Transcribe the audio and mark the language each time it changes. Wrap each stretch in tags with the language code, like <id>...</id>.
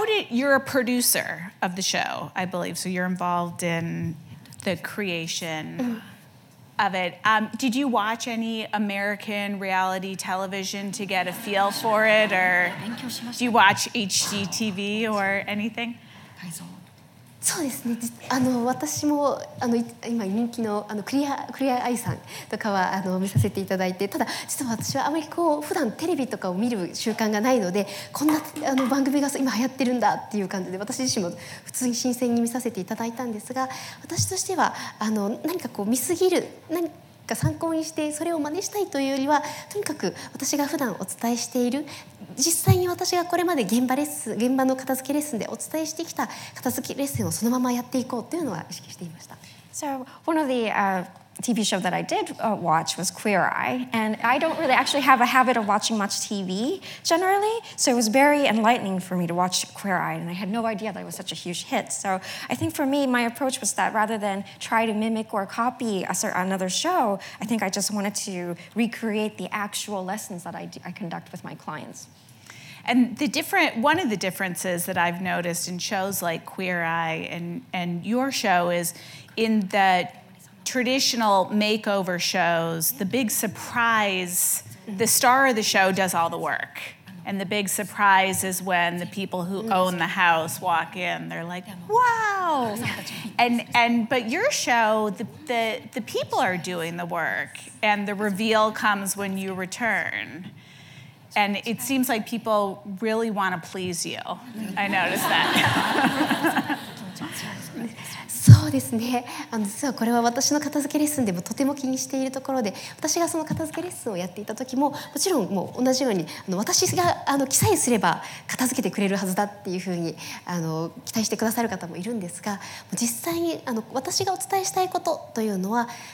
<en>You're a producer of the show, I believe, so you're involved in the creation of it. Did you watch any American reality television to get a feel for it, or do you watch HGTV or anything?</en> <ja>そうですね、私も今人気 のクリアアイさんとかは見させていただいて、ただ実は私はあまりこう普段テレビとかを見る習慣がないので、こんな番組が今流行ってるんだっていう感じで、私自身も普通に新鮮に見させていただいたんですが、私としては何かこう見すぎる、何か参考にしてそれを真似したいというよりは、とにかく私が普段お伝えしている、実際に私がこれまで現場の片付けレッスンでお伝えしてきた片付けレッスンをそのままやっていこうというのは意識していました。</ja> <en>So one of the TV show that I did watch was Queer Eye, and I don't really actually have a habit of watching much TV generally, so it was very enlightening for me to watch Queer Eye, and I had no idea that it was such a huge hit. So I think for me, my approach was that rather than try to mimic or copy another show, I think I just wanted to recreate the actual lessons that I conduct with my clients. And one of the differences that I've noticed in shows like Queer Eye and your show is in that traditional makeover shows, the big surprise, the star of the show does all the work. And the big surprise is when the people who own the house walk in, they're like, wow! But your show, the people are doing the work, and the reveal comes when you return. And it seems like people really want to please you. I noticed that.</en> <ja>そうですね、実はこれは私の片付けレッスンでもとても気にしているところで、私がその片付けレッスンをやっていた時も、もちろんもう同じように私が記載すれば片付けてくれるはずだっていうふうに期待してくださる方もいるんですが、実際に私がお伝えしたいことというのは</ja>